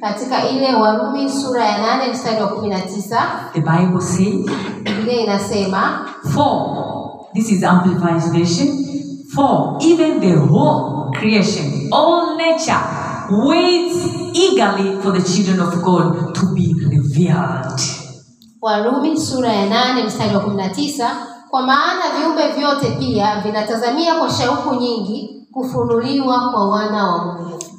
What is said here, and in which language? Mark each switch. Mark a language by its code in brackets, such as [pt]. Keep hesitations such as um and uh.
[sw] katika ile warumi sura ya 8 mstari wa 19 [en] the bible says [sw] bibilia inasema for [en] this is amplified version For even the whole creation, all nature, waits eagerly for the children of God to be revealed. [sw] Warumi sura ya 8 mstari wa 19, kwa maana viumbe vyote pia vinatazamia kwa shauku nyingi kufunuliwa kwa wana wa Mungu.